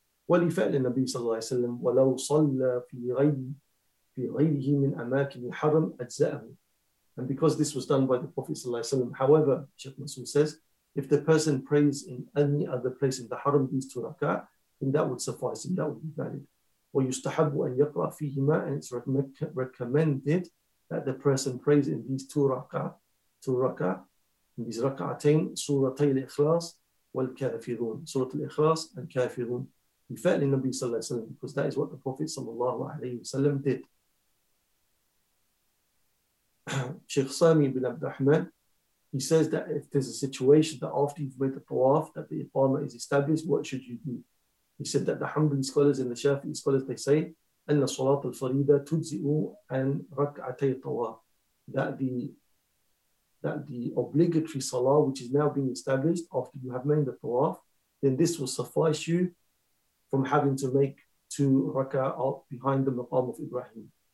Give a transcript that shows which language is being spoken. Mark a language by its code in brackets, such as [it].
[ar] وَلِفَعْلِ النَّبِيِّ صَلَّى اللَّهِ عَلَيْهِ وَسَلَّمْ وَلَوْ صَلَّى فِي غَيْرِهِ مِنْ أَمَاكِنِ الْحَرَمْ أَجْزَأَهُ [en] And because this was done by the Prophet صلى الله عليه وسلم, however, Sheikh Masood says, if the person prays in any other place in the Haram, these two rak'ah, then that would suffice and that would be valid. [ar] وَيُسْتَحَبُّ أَنْ يَقْرَأْ فِيهِمَا [en] And it's recommended that the person prays in these two rak'ah, In these raka'atayn, Suratay al-Ikhlas wal-Kafirun. Surat al-Ikhlas and Kafirun. [ar] بفعل النبي صلى الله عليه وسلم, [en] because that is what the Prophet صلى الله عليه وسلم did. Sheikh Sami bin Abd Ahmad, he says that if there's a situation that after you've made the tawaf, that the iqama is established, what should you do? He said that the Hanbali scholars and the Shafi'i scholars, they say, [ar] أَنَّ صُلَاطَ الْفَرِيدَةُ تُجْزِئُ عَنْ رَكْعَتَيْ الطَّوَافِ [en] That the obligatory salah, which is now being established after you have made the tawaf, then this will suffice you from having to make two rak'ah out behind the maqam of Ibrahim.